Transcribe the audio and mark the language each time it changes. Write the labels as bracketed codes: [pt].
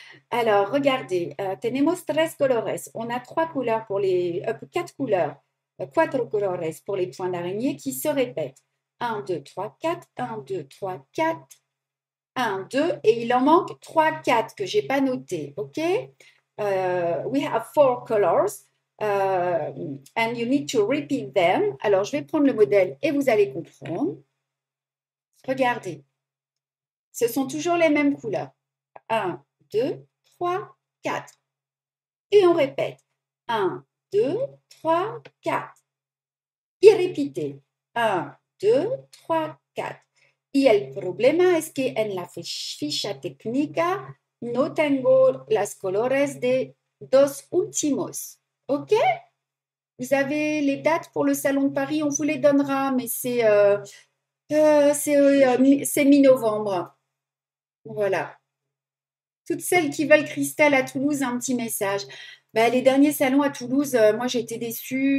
[fr] Alors, regardez. [es] Tenemos tres colores. [fr] On a trois couleurs pour les. Quatre couleurs. [es] Cuatro colores [fr] pour les points d'araignée qui se répètent. 1, 2, 3, 4. 1, 2, 3, 4. 1, 2, et il en manque 3, 4 que je n'ai pas noté. OK? [en] We have four colors and you need to repeat them. [fr] Alors, je vais prendre le modèle et vous allez comprendre. Regardez. Ce sont toujours les mêmes couleurs. 1, 2, 3, 4. Et on répète. 1, 2, 3, 4. Et répétez. 1, 2, 3, 4. [es] Y el problema es que en la ficha técnica no tengo las colores de dos últimos. OK? [fr] Vous avez les dates pour le salon de Paris, on vous les donnera, mais c'est mi-novembre. Voilà. Toutes celles qui veulent Christelle à Toulouse, un petit message. Ben, les derniers salons à Toulouse, moi j'ai été déçue.